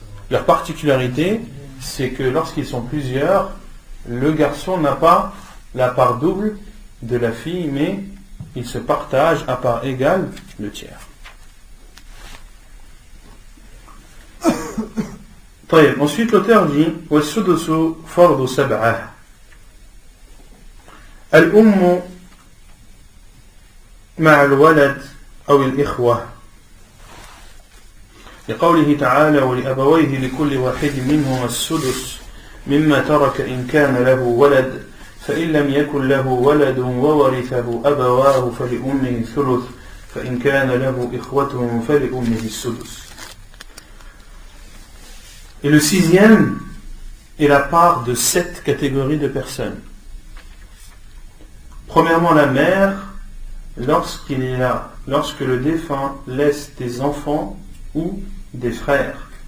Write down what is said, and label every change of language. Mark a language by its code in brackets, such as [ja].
[fr] Leur particularité, c'est que lorsqu'ils sont plusieurs, le garçon n'a pas la part double de la fille, mais ils se partagent à part égale le tiers. [ar] طيب [fr] ensuite l'auteur dit [ar] والسدس فرض سبعة الأم مع الولد أو الإخوة لقوله تعالى ولأبويه لكل واحد منهما السدس مما ترك إن كان له ولد فإن لم يكن له ولد وورثه أبواه فلأمه الثلث فإن كان له إخوة فلأمه السدس. [fr] Et le sixième est la part de sept catégories de personnes. Premièrement, la mère, lorsque le défunt laisse des enfants ou des frères.